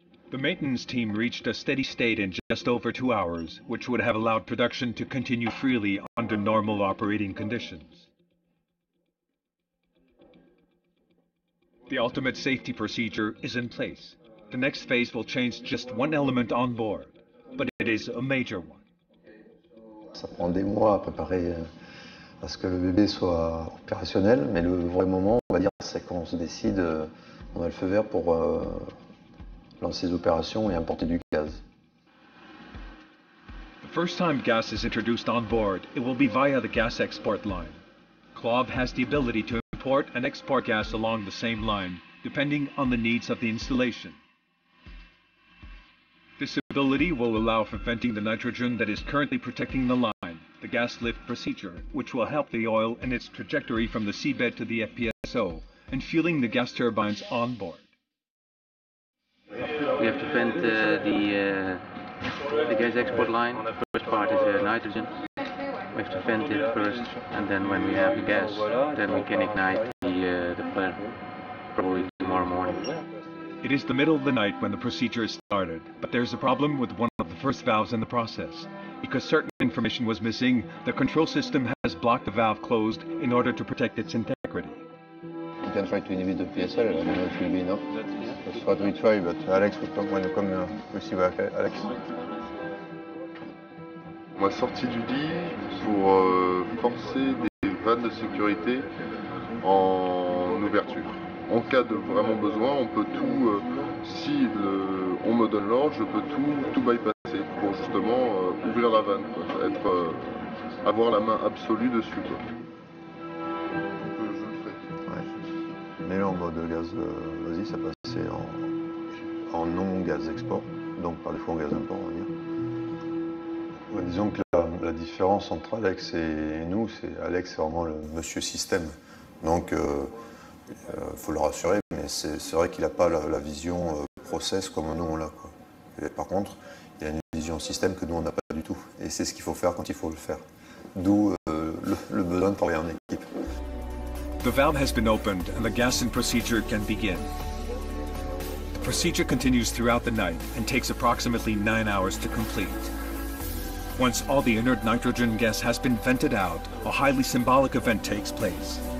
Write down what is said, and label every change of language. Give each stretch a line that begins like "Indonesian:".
English: The maintenance team reached a steady state in just over 2 hours, which would have allowed production to continue freely under normal operating conditions. The ultimate safety procedure is in place. The next phase will change just one element on board, but it is a major one.
French: Ça prend des mois à préparer à ce que le bébé soit opérationnel, mais le vrai moment va va dire, c'est qu'on se décide, on a le feu vert pour lancer les opérations et importer du gaz.
English: The first time gas is introduced on board, it will be via the gas export line. CLOV has the ability to import and export gas along the same line, depending on the needs of the installation. This ability will allow for venting the nitrogen that is currently protecting the line, the gas lift procedure, which will help the oil in its trajectory from the seabed to the FPSO, and fueling the gas turbines on board. We have to vent the gas export line. The first part is nitrogen. We have to vent it first, and then when we have the gas, then we can ignite the flare, probably tomorrow morning. It is the middle of the night when the procedure is started, but there's a problem with one of the first valves in the process. Because certain information was missing, the control system has blocked the valve closed in order to protect its integrity. You can try to inhibit the PSL, I don't know if it will be enough. That's what we try, but Alex, we'll talk when you come, we'll see where Alex.
French: On m'a sorti du lit pour forcer des vannes de sécurité en ouverture. En cas de vraiment besoin, on peut tout, si le, on me donne l'ordre, je peux tout bypasser pour justement ouvrir la vanne, quoi. Être, avoir la main absolue dessus. Quoi. Ouais. Mais là en mode gaz, vas-y, ça passait en non-gaz export, donc par défaut en gaz import, on va dire. Ouais, disons que la différence entre Alex et nous, c'est Alex est vraiment le monsieur système. Donc, faut le rassurer, mais c'est vrai qu'il n'a pas la vision process comme nous on l'a. Quoi. Et par contre, il a une vision système que nous on n'a pas du tout. Et c'est ce qu'il faut faire quand il faut le faire. D'où le besoin de travailler en équipe.
English: The valve has been opened and the gas in procedure can begin. The procedure continues throughout the night and takes approximately 9 hours to complete. Once all the inert nitrogen gas has been vented out, a highly symbolic event takes place.